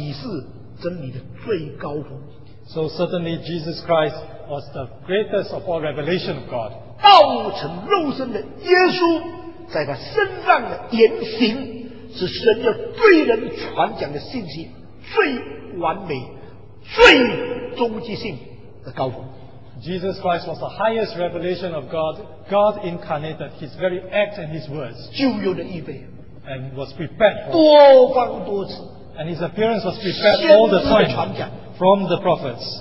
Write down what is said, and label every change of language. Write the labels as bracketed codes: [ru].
[zh] 基督是神启示真理的最高峰。 [en] So certainly Jesus Christ was the greatest of all revelation of God. [zh] 道成肉身的耶稣, 在他身上的言行是神要对人传讲的信息最完美最终极性的高峰。 [en] Jesus Christ was the highest revelation of God. God incarnated his very act and his words. [zh] 旧约的预备, [en] and was prepared for [zh] 多方多次, [en] and his appearance was prepared all the time from the prophets.